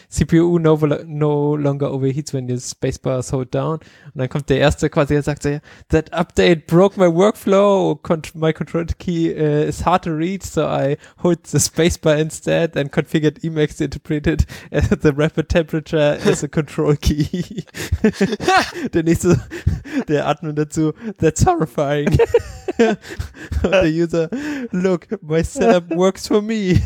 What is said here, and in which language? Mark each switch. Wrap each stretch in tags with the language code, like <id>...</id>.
<en>CPU no longer overheats when the spacebar is held down.</en> <de>Und dann kommt der erste quasi und sagt so,</de> <en>that update broke my workflow. My control key is hard to reach, so I hold the spacebar instead and configured Emacs to interpret it as the rapid temperature as a control key.</en> <de>Der nächste, der Admin dazu,</de> <en>that's horrifying.</en> <de>Und der User,</de> <en>look, my setup works for me.</en>